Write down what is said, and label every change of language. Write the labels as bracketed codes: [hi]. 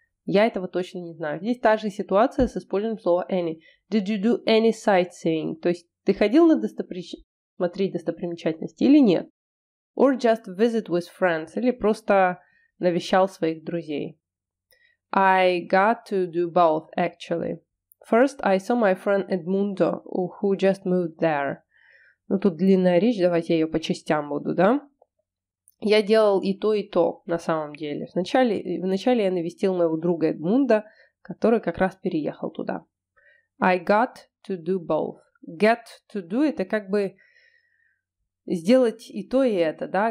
[ru] Я этого точно не знаю. Здесь та же ситуация с использованием слова any. [en] Did you do any sightseeing? [ru] То есть ты ходил на смотреть достопримечательности или нет? [en] Or just visit with friends? [ru] Или просто навещал своих друзей? [en] I got to do both, actually. First, I saw my friend Edmundo, who just moved there. [ru] Ну, тут длинная речь, давайте я ее по частям буду, да? Я делал и то, на самом деле. Вначале я навестил моего друга Эдмунда, который как раз переехал туда. [en] I got to do both. Get to do – [ru] это как бы сделать и это, да?